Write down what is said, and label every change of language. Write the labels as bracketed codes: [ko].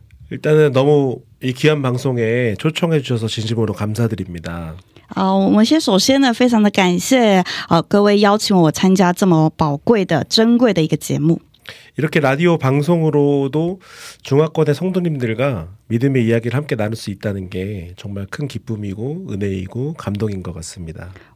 [ko] 일단은 너무 이 귀한 방송에 초청해 주셔서 진심으로 감사드립니다. [zh] 我们先首先呢非常的感谢各位邀请我参加这么宝贵的珍贵的一个节目。 [ko] 이렇게 라디오 방송으로도 중화권의 성도님들과 믿음의 이야기를 함께 나눌 수 있다는 게 정말 큰 기쁨이고 은혜이고 감동인 것 같습니다.